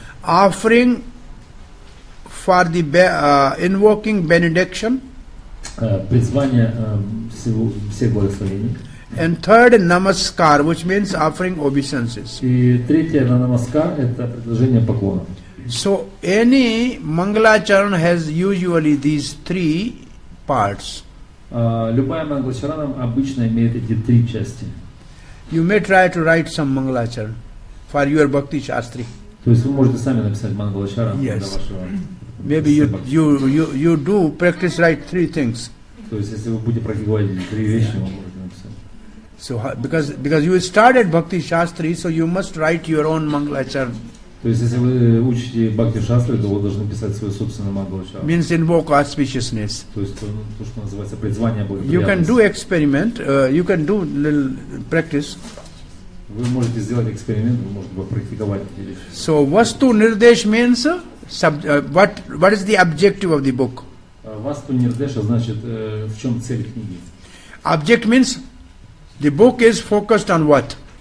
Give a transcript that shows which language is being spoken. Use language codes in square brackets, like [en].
[en] Offering for the invoking benediction. [ru] Призвание всех благословений. [en] And third, намаскар, which means offering obeisances. [ru] И третье на намаскар это предложение поклона. [en] So any Mangalacharan has usually these three parts. [ru] Любая Mangalacharana обычно имеет эти три части. [en] You may try to write some Mangalacharan for your Bhakti Shastri. [ru] То есть вы можете сами написать Mangalacharan для вашего. [en] Maybe you do practice write three things. [ru] То есть если вы будете практиковать три вещи, вы можете написать. [en] So because you started Bhakti Shastri, so you must write your own Mangalacharan. [ru] То есть, если вы учите бхакти-шастры, то вы должны писать свою собственную мангалачару. [en] Means invoke auspiciousness. [ru] То есть, то, что называется призвание благоприятности. [en] You can do experiment, you can do little practice. [ru] Вы можете сделать эксперимент, вы можете попрактиковать эти вещи. [en] So, vastu nirdesh means, what is the objective of the book? [ru] Vastu nirdesha значит, в чем цель книги. [en] Object means, the book is focused on what?